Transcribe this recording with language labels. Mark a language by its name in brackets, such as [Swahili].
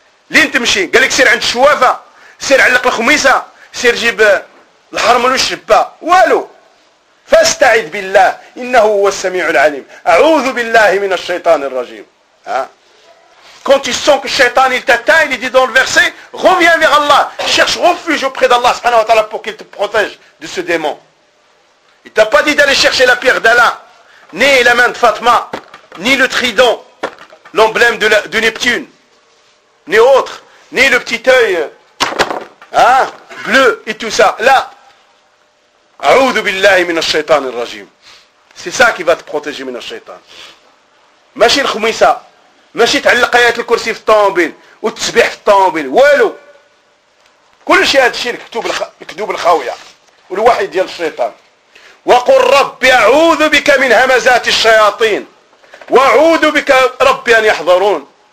[Arabic] Lin tmchi, قال لك سير عند الشوافه, سير علق الخميسه, سير جيب الحرمل والشبه, والو. فاستعذ بالله, انه هو السميع العليم. اعوذ بالله من الشيطان الرجيم. [French] Quand tu sens que Shaitan il t'atteint, il dit dans le verset, reviens vers Allah, cherche refuge auprès d'Allah subhanahu wa ta'ala pour qu'il te protège de ce démon. Il t'a pas dit d'aller chercher la pierre d'Allah, ni la main de Fatma, ni le trident, l'emblème de Neptune, ni autre, ni le petit œil bleu et tout ça. [Arabic] Là, a'oudhu billahi min ash-shaytan ar-rajim. [French] C'est ça qui va te protéger [Arabic] min ash-shaytan. Machi l'khumisa. ماشي تعلق ايات الكرسي في الطوموبيل وتسبيح في الطوموبيل والو كل شيء هذا الشيء مكتوب مكتوب الخاويه والوحي ديال الشيطان وقل ربي اعوذ بك من همزات الشياطين واعوذ بك ربي ان يحضرون